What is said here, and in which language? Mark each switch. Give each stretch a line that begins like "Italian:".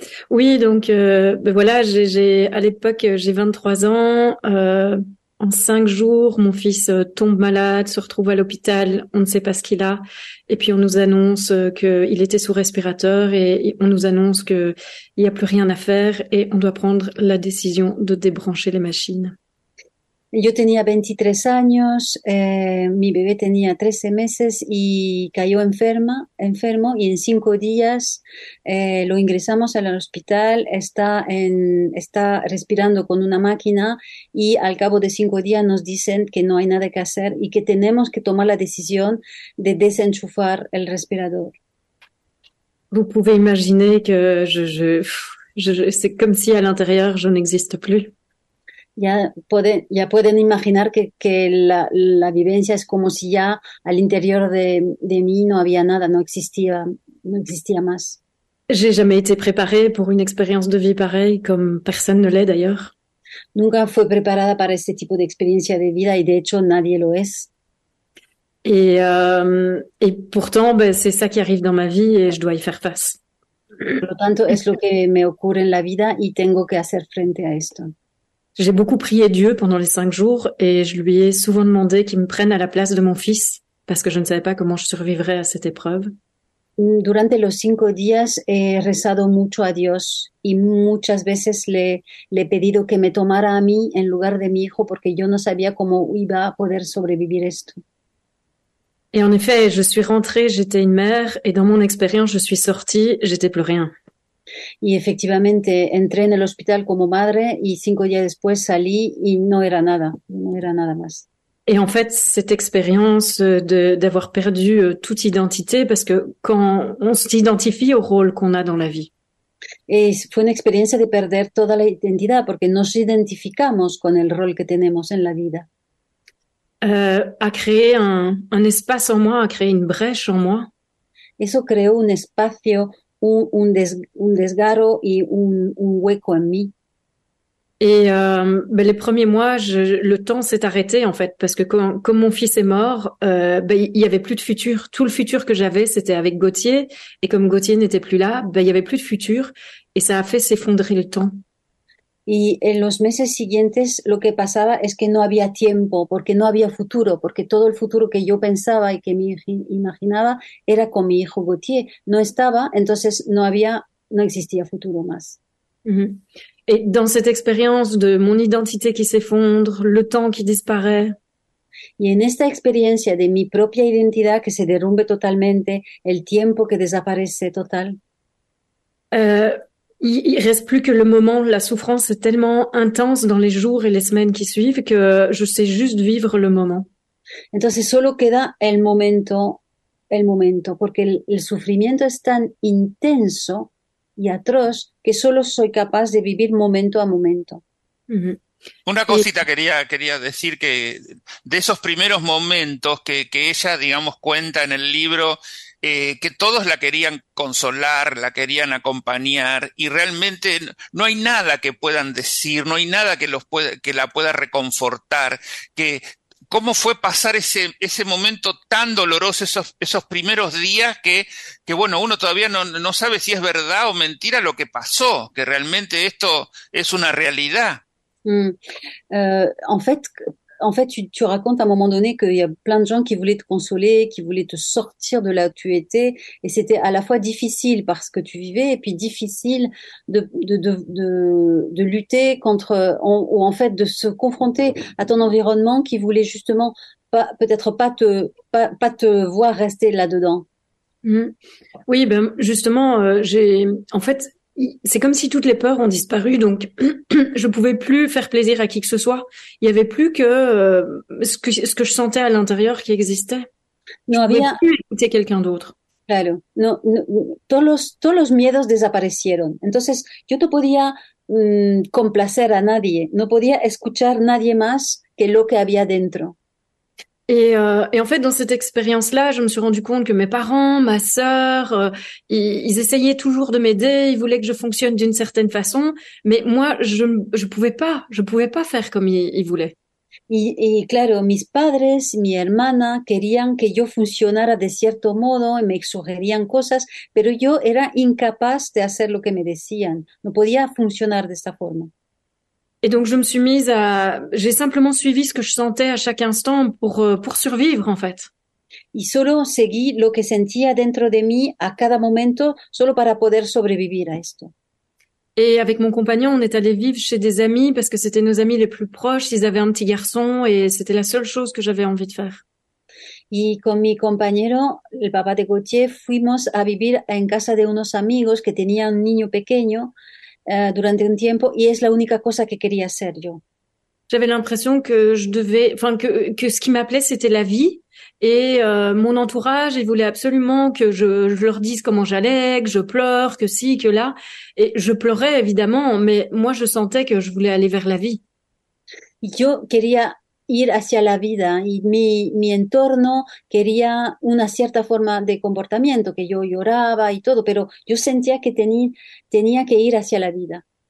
French: Oui, donc ben voilà, j'ai à l'époque j'ai 23 ans, en 5 jours, mon fils tombe malade, se retrouve à l'hôpital, on ne sait pas ce qu'il a, et puis on nous annonce qu'il était sous respirateur et on nous annonce qu'il n'y a plus rien à faire et on doit prendre la décision de débrancher les machines.
Spanish: Yo tenía 23 años, mi bebé tenía 13 meses y cayó enfermo y en 5 días lo ingresamos al hospital, está respirando con una máquina y al cabo de 5 días nos dicen que no hay nada que hacer y que tenemos que tomar la decisión de desenchufar el respirador.
French: Vous pouvez imaginer que je c'est comme si à l'intérieur je n'existe plus.
Spanish: Ya pueden imaginar que la vivencia es como si ya al interior de mí no había nada, no existía más.
French: J'ai jamais été préparée pour une expérience de vie pareille, comme personne ne l'est d'ailleurs.
Spanish: Nunca fui preparada para este tipo de experiencia de vida y de hecho nadie lo es.
French: Et pourtant, c'est ça qui arrive dans ma vie et je dois y faire face.
Spanish: Por lo tanto, es lo que me ocurre en la vida y tengo que hacer frente a esto.
French: J'ai beaucoup prié Dieu pendant les cinq jours et je lui ai souvent demandé qu'il me prenne à la place de mon fils parce que je ne savais pas comment je survivrais à cette épreuve.
Spanish: Durante los cinco días he rezado mucho a Dios y muchas veces le he pedido que me tomara a mí en lugar de mi hijo porque yo no sabía cómo iba a poder sobrevivir esto.
French: Et en effet, je suis rentrée, j'étais une mère, et dans mon expérience, je suis sortie, j'étais plus rien.
Spanish: Y efectivamente, entré en el hospital como madre y cinco días después salí y no era nada, no era nada más.
French: Et en fait, cette expérience d'avoir perdu toute identité, parce que quand on s'identifie au rôle qu'on a dans la vie.
Spanish: Et fue una experiencia de perder toda la identidad porque nos identificamos con el rol que tenemos en la vida.
French: A créé un espace en moi, a créé une brèche en moi.
Spanish: Eso creó un espacio, un desgarro y un hueco en mí.
French: Et ben les premiers mois, le temps s'est arrêté en fait, parce que comme mon fils est mort, ben il y avait plus de futur. Tout le futur que j'avais, c'était avec Gauthier, et comme Gauthier n'était plus là, ben il y avait plus de futur, et ça a fait s'effondrer le temps.
Spanish: Y en los meses siguientes lo que pasaba es que no había tiempo, porque no había futuro, porque todo el futuro que yo pensaba y que me imaginaba era con mi hijo Gauthier. No estaba, entonces no había, no existía futuro más.
French: Et dans cette expérience de mon identité qui s'effondre, le temps qui disparaît.
Spanish: Y en esta experiencia de mi propia identidad que se derrumbe totalmente, el tiempo que desaparece total.
French: Il reste plus que le moment, la souffrance est tellement intense dans les jours et les semaines qui suivent que je sais juste vivre le moment.
Spanish: Entonces solo queda el momento, porque el sufrimiento es tan intenso y atroz que solo soy capaz de vivir momento a momento. Una cosita quería decir que de esos primeros momentos que ella, digamos, cuenta en el libro, que todos la querían consolar, la querían acompañar, y realmente no hay nada que puedan decir, no hay nada que la pueda reconfortar, que cómo fue pasar ese momento tan doloroso, esos primeros días que bueno, uno todavía no sabe si es verdad o mentira lo que pasó, que realmente esto es una realidad.
French: En fait, tu racontes à un moment donné qu'il y a plein de gens qui voulaient te consoler, qui voulaient te sortir de là où tu étais, et c'était à la fois difficile parce que tu vivais, et puis difficile de lutter contre, ou en fait de se confronter à ton environnement qui voulait justement pas, peut-être pas te voir rester là-dedans. Oui, ben justement, en fait, c'est comme si toutes les peurs ont disparu, donc je pouvais plus faire plaisir à qui que ce soit. Il y avait plus que ce que je sentais à l'intérieur qui existait.
Spanish: No
French: je
Spanish: había...
French: pouvais plus écouter quelqu'un d'autre.
Spanish: Claro, no, todos los miedos desaparecieron. Entonces, yo no podía complacer a nadie, no podía escuchar nadie más que lo que había dentro.
French: Et en fait, dans cette expérience-là, je me suis rendu compte que mes parents, ma sœur, ils essayaient toujours de m'aider, ils voulaient que je fonctionne d'une certaine façon, mais moi, je pouvais pas faire comme ils voulaient.
Spanish: Y claro, mis padres, mi hermana querían que yo funcionara de cierto modo y me sugerían cosas, pero yo era incapaz de hacer lo que me decían. No podía funcionar de esta forma.
French: Et donc, je me suis mise à, j'ai simplement suivi ce que je sentais à chaque instant pour survivre, en fait.
Spanish: Y solo seguí lo que sentía dentro de mí a cada momento, solo para poder sobrevivir a esto.
French: Et avec mon compagnon, on est allé vivre chez des amis parce que c'était nos amis les plus proches, ils avaient un petit garçon et c'était la seule chose que j'avais envie de faire.
Spanish: Y con mi compañero, el papá de Gauthier, fuimos a vivir en casa de unos amigos que tenían un niño pequeño. Durante un tiempo y es la única cosa que quería hacer yo.
French: J'avais l'impression que je devais, enfin que ce qui m'appelait c'était la vie et mon entourage, ils voulaient absolument que je leur dise comment j'allais, que je pleure, que si, que là, et je pleurais évidemment, mais moi je sentais que je voulais aller vers la vie.
Spanish: Yo quería ir hacia la vida y mi entorno quería una cierta forma de comportamiento, que yo lloraba y todo, pero yo sentía que tenía que ir hacia la vida.